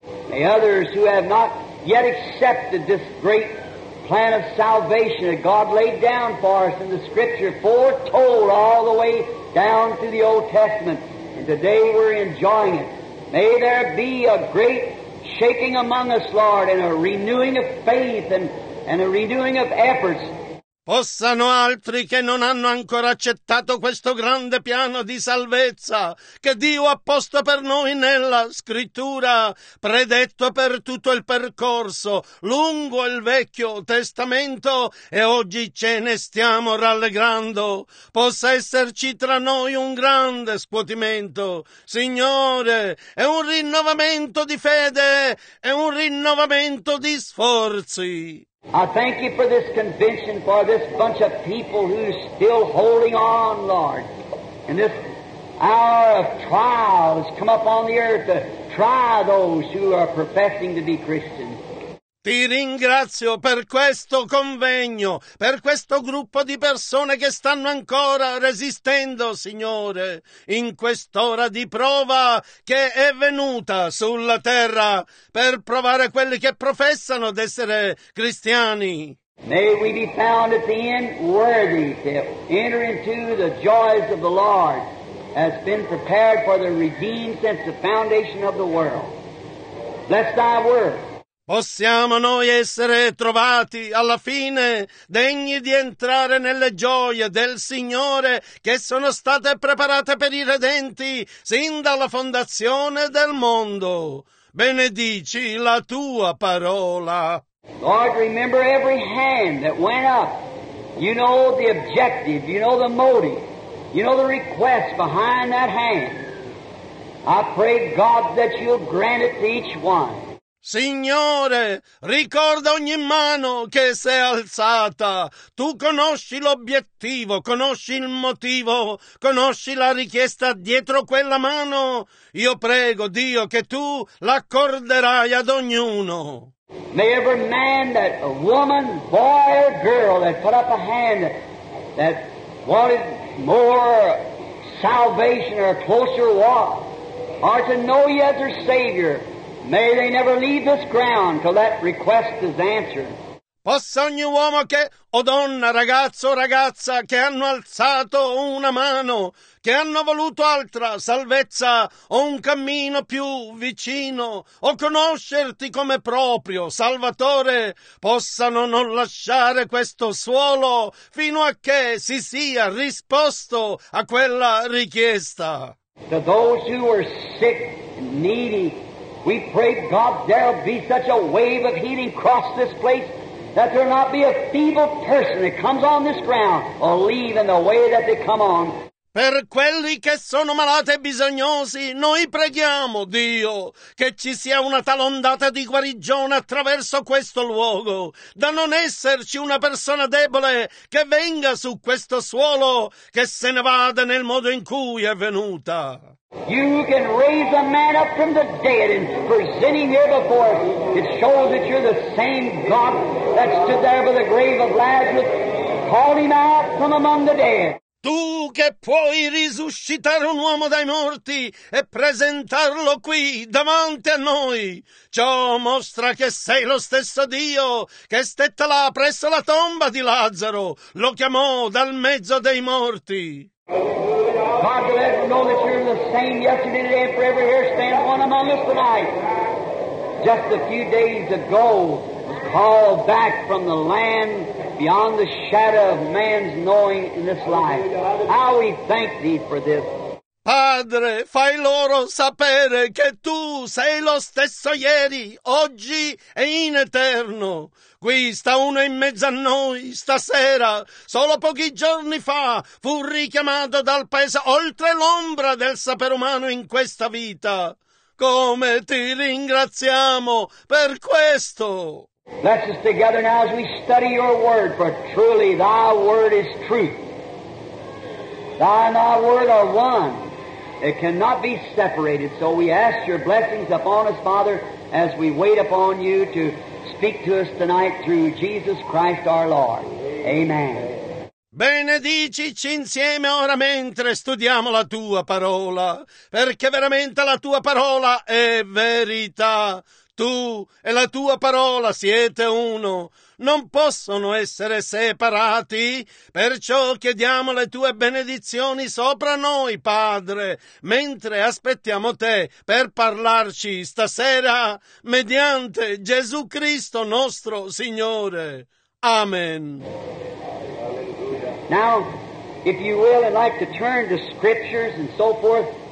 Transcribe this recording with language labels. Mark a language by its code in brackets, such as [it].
[en] May others who have not yet accepted this great plan of salvation that God laid down for us in the Scripture, foretold all the way down through the Old Testament, and today we're enjoying it. May there be a great shaking among us, Lord, and a renewing of faith and a renewing of efforts. [it] Possano altri che non hanno ancora accettato questo grande piano di salvezza che Dio ha posto per noi nella Scrittura, predetto per tutto il percorso lungo il Vecchio Testamento, e oggi ce ne stiamo rallegrando. Possa esserci tra noi un grande scuotimento, Signore, e un rinnovamento di fede e un rinnovamento di sforzi. [en] I thank you for this convention, for this bunch of people who are still holding on, Lord. And this hour of trial has come up on the earth to try those who are professing to be Christians. [it] Ti ringrazio per questo convegno, per questo gruppo di persone che stanno ancora resistendo, Signore, in quest'ora di prova che è venuta sulla terra per provare quelli che professano d'essere cristiani. [en] May we be found at the end worthy to enter into the joys of the Lord as been prepared for the redeemed since the foundation of the world. Bless thy word. [it] Possiamo noi essere trovati alla fine degni di entrare nelle gioie del Signore che sono state preparate per i redenti sin dalla fondazione del mondo. Benedici la tua parola. [en] Lord, remember every hand that went up. You know the objective, you know the motive, you know the request behind that hand. I pray God that you'll grant it to each one. [it] Signore, ricorda ogni mano che si è alzata. Tu conosci l'obiettivo, conosci il motivo, conosci la richiesta dietro quella mano. Io prego, Dio, che Tu l'accorderai ad ognuno. [en] May every man, that a woman, boy or girl, that put up a hand that wanted more salvation or closer walk, or to know you as their Savior, may they never leave this ground till that request is answered. [it] Possa ogni uomo che, o donna, ragazzo o ragazza, che hanno alzato una mano, che hanno voluto altra salvezza o un cammino più vicino, o conoscerti come proprio Salvatore, possano non lasciare questo suolo fino a che si sia risposto a quella richiesta. [en] To those who are sick and needy, we pray, God, there'll be such a wave of healing across this place that there'll not be a feeble person that comes on this ground or leave in the way that they come on. [it] Per quelli che sono malati e bisognosi, noi preghiamo, Dio, che ci sia una tal ondata di guarigione attraverso questo luogo, da non esserci una persona debole che venga su questo suolo, che se ne vada nel modo in cui è venuta. [en] You can raise a man up from the dead, and presenting here before us, it shows that you're the same God that stood there by the grave of Lazarus, called him out from among the dead. [it] Tu che puoi risuscitare un uomo dai morti e presentarlo qui davanti a noi. Ciò mostra che sei lo stesso Dio che stette là presso la tomba di Lazzaro, lo chiamò dal mezzo dei morti. [en] God, let us know that you're the same yesterday, today, forever. Here stand one among us tonight. Just a few days ago, called back from the land beyond the shadow of man's knowing in this life. How we thank thee for this. [it] Padre, fai loro sapere che tu sei lo stesso ieri, oggi e in eterno. Qui sta uno in mezzo a noi, stasera, solo pochi giorni fa, fu richiamato dal paese oltre l'ombra del sapere umano in questa vita. Come ti ringraziamo per questo! [en] Let us together now as we study your word, for truly thy word is truth. Thy and thy word are one. It cannot be separated, so we ask your blessings upon us, Father, as we wait upon you to speak to us tonight through Jesus Christ our Lord. Amen. [it] Benedicici insieme ora mentre studiamo la tua parola, perché veramente la tua parola è verità. Tu e la tua parola siete uno, non possono essere separati, perciò chiediamo le tue benedizioni sopra noi, Padre, mentre aspettiamo te per parlarci stasera mediante Gesù Cristo nostro Signore. Amen. [en] Now, if you will, I'd like to turn to scriptures and so forth.